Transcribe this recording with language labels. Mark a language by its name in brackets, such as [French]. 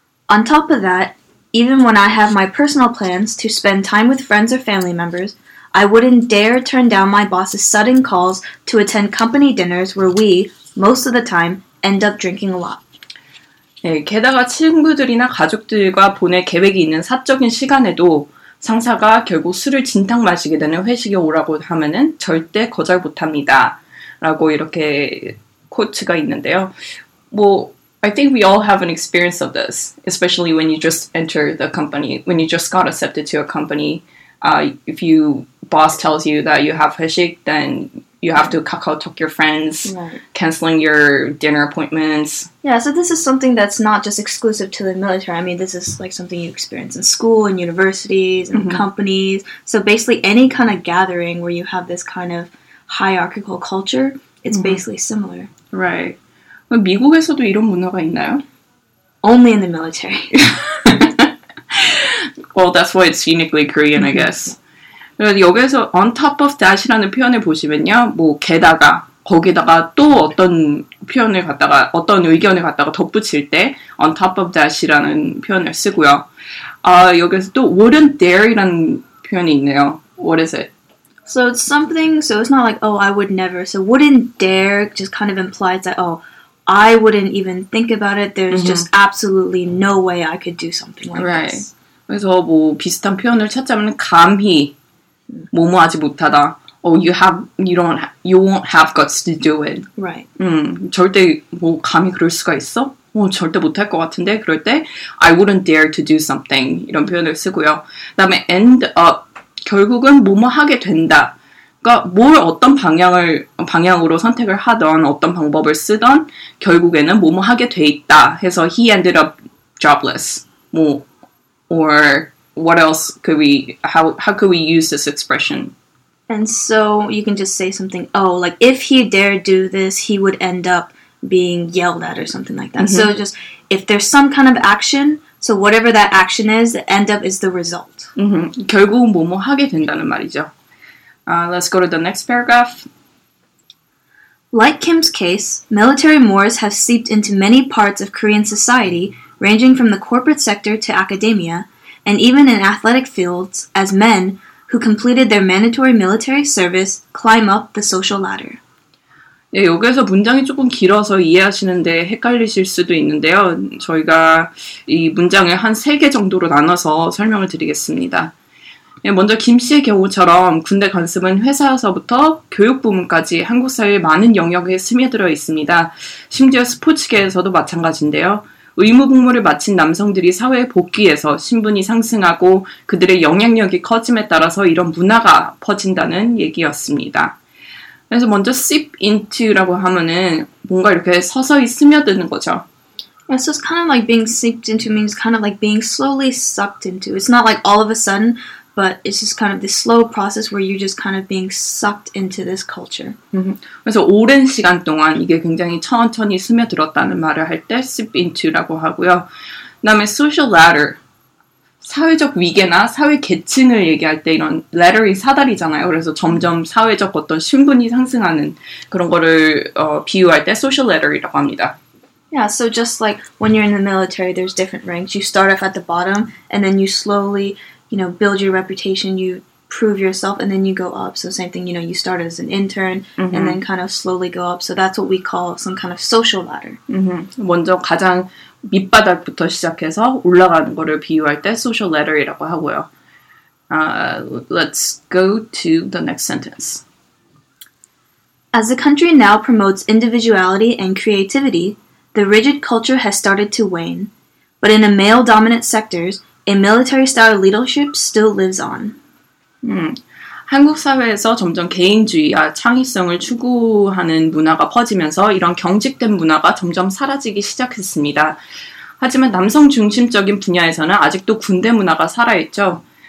[English] On top of that, even when I have my personal plans to spend time with friends or family members, I wouldn't dare turn down my boss's sudden calls to attend company dinners where we, most of the time, end up drinking a lot. [Korean] 네, 게다가 친구들이나 가족들과 보낼 계획이 있는 사적인 시간에도 상사가 결국 술을 진탕 마시게 되는 회식에 오라고 하면은 절대 거절 못합니다. 라고 이렇게 코트가 있는데요. [English] 뭐, I think we all have an experience of this, especially when you just enter the company, when you just got accepted to a company. If your boss tells you that you have 회식, then you have to kakao-talk your friends, right. Canceling your dinner appointments. Yeah, so this is something that's not just exclusive to the military. I mean, this is like something you experience in school, in universities, in companies. So basically any kind of gathering where you have this kind of hierarchical culture, it's basically similar. Right. [Korean] 미국에서도 이런 문화가 있나요? [English] Only in the military. Well, that's why it's uniquely Korean, I guess. [Korean] 여기서 [English] on top of that [Korean] 이라는 표현을 보시면요. 뭐 게다가, 거기다가 또 어떤 표현을 갖다가, 어떤 의견을 갖다가 덧붙일 때 on top of that이라는 표현을 쓰고요. 여기서 또 wouldn't dare이라는 표현이 있네요. [English] What is it? So it's something, so it's not like, oh, I would never. So wouldn't dare just kind of implies that, oh, I wouldn't even think about it. There's just absolutely no way I could do something like right. this. [Korean] 그래서 뭐 비슷한 표현을 찾자면 감히 뭐뭐하지 못하다. [English] Oh, you have, you don't, you won't have guts to do it. Right. [Korean] 절대 뭐 감히 그럴 수가 있어? 뭐 절대 못할 것 같은데 그럴 때 [English] I wouldn't dare to do something [Korean] 이런 표현을 쓰고요. 그다음에 end up 결국은 뭐뭐하게 된다. 그러니까 뭘 어떤 방향으로 선택을 하던 어떤 방법을 쓰던 결국에는 뭐뭐하게 돼 있다. 해서 [English] he ended up jobless. 뭐 Or what else could we, how could we use this expression? And so you can just say something, oh, like if he dared do this, he would end up being yelled at or something like that. Mm-hmm. So just if there's some kind of action, so whatever that action is, the end up is the result. Mm-hmm. [Korean] 결국 뭐뭐 하게 된다는 말이죠. [English] Let's go to the next paragraph. Like Kim's case, military mores have seeped into many parts of Korean society, ranging from the corporate sector to academia, and even in athletic fields, as men who completed their mandatory military service climb up the social ladder. [Korean] 네, 여기서 문장이 조금 길어서 이해하시는데 헷갈리실 수도 있는데요. 저희가 이 문장을 한 세 개 정도로 나눠서 설명을 드리겠습니다. 네, 먼저 김 씨의 경우처럼 군대 관습은 회사에서부터 교육 부문까지 한국 사회의 많은 영역에 스며들어 있습니다. 심지어 스포츠계에서도 마찬가지인데요. 의무 복무를 마친 남성들이 사회에 복귀해서 신분이 상승하고 그들의 영향력이 커짐에 따라서 이런 문화가 퍼진다는 얘기였습니다. 그래서 먼저 seep into라고 하면은 뭔가 이렇게 서서히 스며드는 거죠. [English] Yeah, so it's kind of like being seeped into means kind of like being slowly sucked into. It's not like all of a sudden, but it's just kind of this slow process where you're just kind of being sucked into this culture. [Korean] 그래서 오랜 시간 동안 이게 굉장히 천천히 스며들었다는 말을 할 때 seep into라고 하고요. 그다음에 social ladder. 사회적 위계나 사회 계층을 얘기할 때 이런 ladder이 사다리잖아요. 그래서 점점 사회적 어떤 신분이 상승하는 그런 거를 비유할 때 social ladder이라고 합니다. [English] Yeah, so just like when you're in the military, there's different ranks. You start off at the bottom, and then you slowly, you know, build your reputation, you prove yourself, and then you go up. So same thing, you know, you start as an intern, and then kind of slowly go up. So that's what we call some kind of social ladder. [Korean] 먼저 가장 밑바닥부터 시작해서 올라가는 거를 비유할 때 social ladder이라고 하고요. [English] Let's go to the next sentence. As the country now promotes individuality and creativity, the rigid culture has started to wane. But in the male-dominant sectors, a military-style leadership still lives on. [Korean] 한국 사회에서 점점 개인주의와 창의성을 추구하는 문화가 퍼지면서 이런 경직된 문화가 점점 사라지기 시작했습니다. 하지만 남성 중심적인 분야에서는 아직도 군대 문화가 살아있죠.